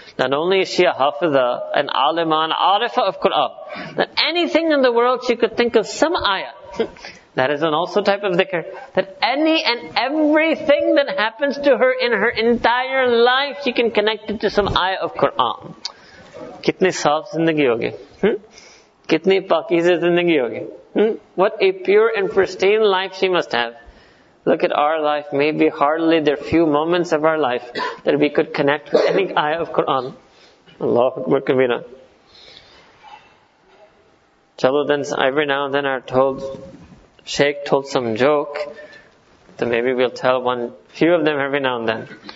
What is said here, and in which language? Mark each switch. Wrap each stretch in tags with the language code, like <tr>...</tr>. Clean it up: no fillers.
<en>Not only is she a hafidha, an alima, an arifa of Qur'an, that anything in the world she could think of some ayah, that is an also type of dhikr, that any and everything that happens to her in her entire life, she can connect it to some ayah of Qur'an.</en> <ur>کتنی صاف زندگی ہوگی؟ کتنی پاکیزہ زندگی ہوگی؟</ur> <en>What a pure and pristine life she must have. Look at our life, maybe hardly there are few moments of our life that we could connect with any ayah of Quran.</en> <ar>Allahu Akbar Kabeera.</ar> <en>Chalo, then every now and then our Sheikh told some joke, so maybe we'll tell one few of them every now and then.</en>